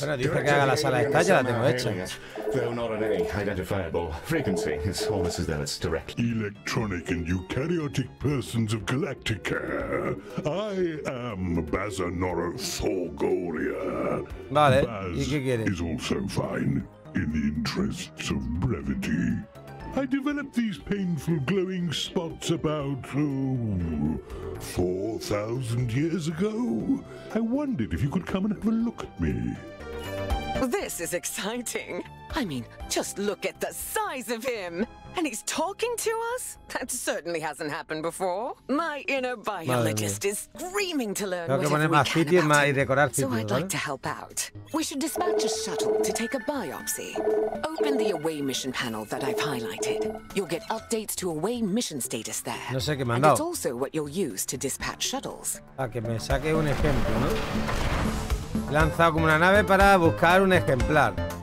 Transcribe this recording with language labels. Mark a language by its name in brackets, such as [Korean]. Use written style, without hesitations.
[Spanish] Bueno, dice que haga la sala de estar, ya la tengo hecha. [English] Though not on any identifiable frequency, it's almost as though it's direct. Electronic and eukaryotic persons of Galacticare. I am Bazanoro Thorgoria. [Spanish] Vale, Baz, ¿y qué quiere? [English] Is also fine in the interests of brevity. I developed these painful glowing spots about, 4,000 years ago. I wondered if you could come and have a look at me. This is exciting. I mean, just look at the size of him. And he's talking to us? That certainly hasn't happened before. My inner biologist is screaming to learn whatever we can about him. So I'd like to help out. We should dispatch a shuttle to take a biopsy. Open the away mission panel that I've highlighted. You'll get updates to away mission status there. [Spanish] No sé qué me han dado. [English] And it's also what you'll use to dispatch shuttles. [Spanish] A que me saque un ejemplo, ¿no? Lanzado como una nave para buscar un ejemplar.